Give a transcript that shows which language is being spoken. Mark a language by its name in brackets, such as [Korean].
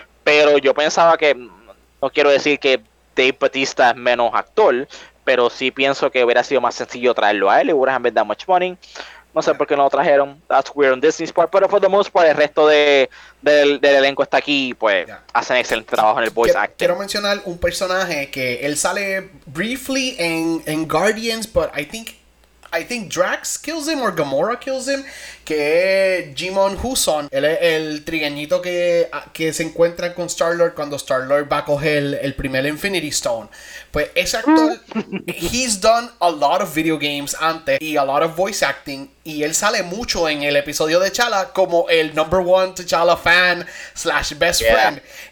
[Spanish] Pero yo pensaba que, no quiero decir que Dave Bautista es menos actor, pero sí pienso que hubiera sido más sencillo traerlo a él. [English] It wouldn't have been that much money. [Spanish] No sé por qué no lo trajeron. [English] That's weird on Disney's part. [Spanish] Pero [English] for the most part, [Spanish] el resto del elenco está aquí. Pues yeah, hacen excelente trabajo en el [English] voice acting. [Spanish] Quiero mencionar un personaje que él sale briefly en Guardians. [English] But I think Drax kills him or Gamora kills him. [Spanish] Que es Jimon Huson. Él es el trigueñito que se encuentra con Star-Lord cuando Star-Lord va a coger el primer Infinity Stone. Pues ese actor, [English] he's done a lot of video games [Spanish] antes y [English] a lot of voice acting. [Spanish] Y él sale mucho en el episodio de T'Challa como el [English] number one [Spanish] T'Challa fan / [English] best friend.